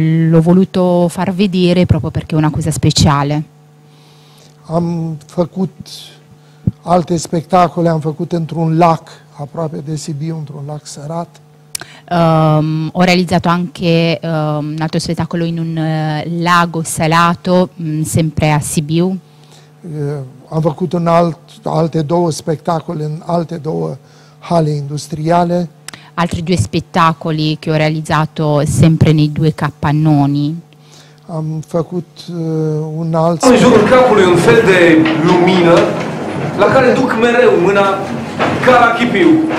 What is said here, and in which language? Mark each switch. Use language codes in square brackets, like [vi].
[it] L'ho voluto far vedere proprio perché è una cosa speciale. [ro] Am făcut alte spectacole, am făcut într-un lac aproape de Sibiu, într-un lac sărat. [it] Ho realizzato anche un altro spettacolo in un lago salato, sempre a Sibiu. [ro] Am făcut alte două spectacole în alte două hale industriale. [it] Altri due spettacoli che ho realizzato sempre nei due capannoni. [ro] Am făcut un alt... Am jurul capului un fel de lumină la care duc mereu mâna ca la chipiu.